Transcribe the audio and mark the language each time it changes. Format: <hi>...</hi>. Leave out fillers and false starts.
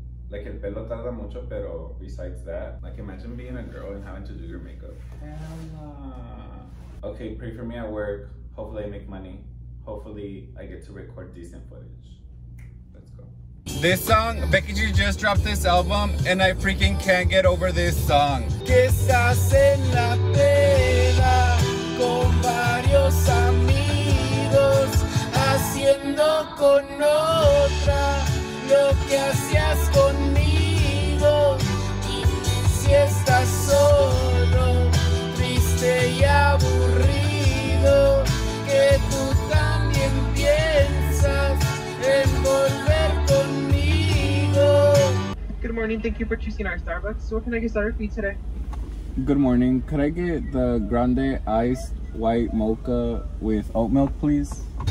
<en>Like,</en> <es>el pelo tarda mucho, pero</es> <en>besides that, like, imagine being a girl and having to do your makeup. Hell no. Okay, pray for me at work. Hopefully, I make money. Hopefully, I get to record decent footage. Let's go. This song, Becky G just dropped this album, and I freaking can't get over this song.</en> <es>Que estás en la peda con varios amigos haciendo con otra lo que hacías conmigo. Dime si estás solo, triste y aburrido, que tú también piensas en volver conmigo.</es> <en>Good morning, thank you for choosing our Starbucks. What can I get started for you today? Good morning. Could I get the grande iced white mocha with oat milk, please?</en>